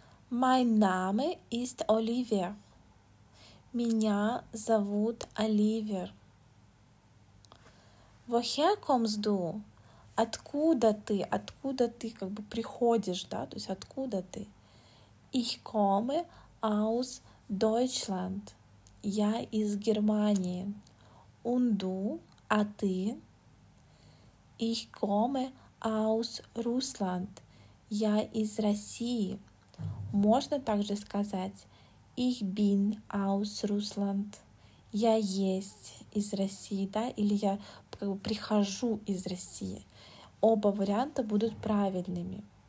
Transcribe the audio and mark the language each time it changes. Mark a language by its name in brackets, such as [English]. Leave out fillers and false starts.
[German] Mein Name ist Oliver. [Russian] Меня зовут Оливер. [German] Woher kommst du? [Russian] Откуда ты? Откуда ты как бы приходишь, да? То есть откуда ты? [German] Ich komme aus Deutschland. [Russian] Я из Германии. [German] Und du? [Russian] А ты? [German] Ich komme aus Russland. [Russian] Я из России. Можно также сказать [German] Ich bin aus Russland. [Russian] Я есть из России, да? Или я как бы прихожу из России. Оба варианта будут правильными.